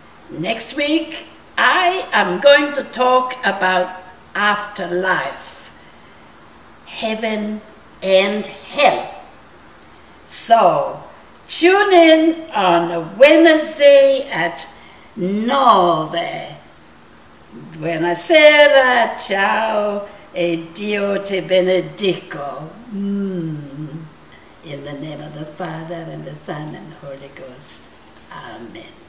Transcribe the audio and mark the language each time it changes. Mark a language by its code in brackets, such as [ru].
[en] Next week, I am going to talk about afterlife, heaven and hell. So, tune in on Wednesday at 9. [it] Buonasera, ciao, e Dio te benedico. [en] In the name of the Father, and the Son, and the Holy Ghost. Amen.